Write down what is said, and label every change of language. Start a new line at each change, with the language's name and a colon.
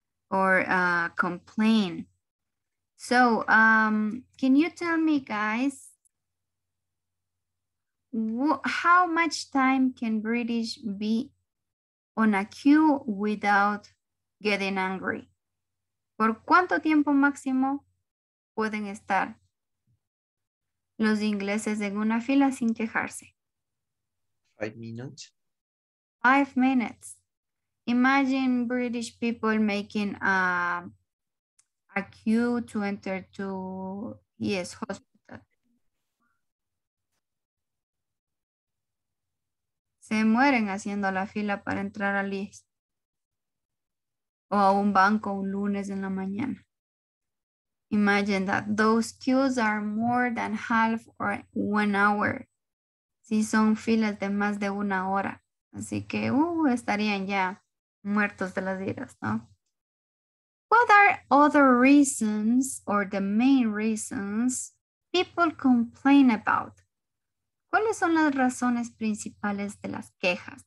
English: Or complain. So can you tell me, guys, how much time can British be on a queue without getting angry?
Spanish: ¿Por cuánto tiempo máximo pueden estar los ingleses en una fila sin quejarse?
English: 5 minutes. 5 minutes. Imagine British people making a queue to enter to, yes, hospital.
Spanish: Se mueren haciendo la fila para entrar al IES. O a un banco un lunes en la mañana.
English: Imagine that those queues are more than half or 1 hour.
Spanish: Si son filas de más de una hora. Así que estarían ya muertos de las iras, ¿no?
English: What are other reasons or the main reasons people complain about?
Spanish: ¿Cuáles son las razones principales de las quejas?